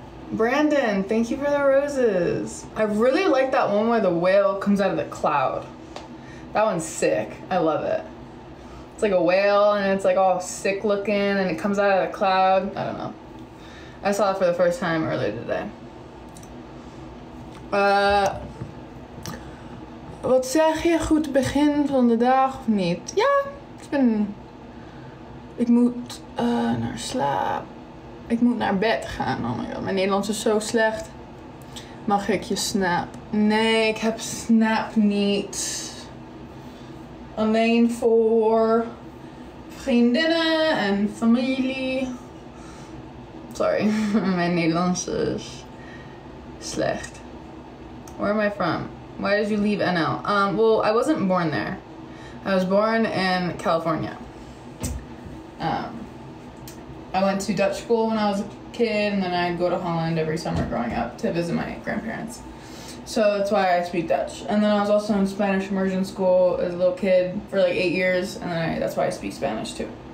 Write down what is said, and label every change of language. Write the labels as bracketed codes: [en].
[en] Brandon, thank you for the roses. I really like that one where the whale comes out of the cloud. That one's sick. I love it. It's like a whale and it's like all sick looking and it comes out of the cloud. I don't know. I saw it for the first time earlier today. [nl] Wat zeg je, goed begin van de dag of niet? Ja, [en] it's been... [nl] Ik moet naar slaap. Ik moet naar bed gaan. [en] Oh my god, [nl] mijn Nederlands is zo slecht. Mag ik je snap? Nee, ik heb snap niet. Alleen voor vriendinnen en familie. Sorry, mijn Nederlands is slecht. [en] Where am I from? Why did you leave NL? Well, I wasn't born there. I was born in California. I went to Dutch school when I was a kid, and then I'd go to Holland every summer growing up to visit my grandparents. So that's why I speak Dutch. And then I was also in Spanish immersion school as a little kid for like 8 years, and then that's why I speak Spanish too.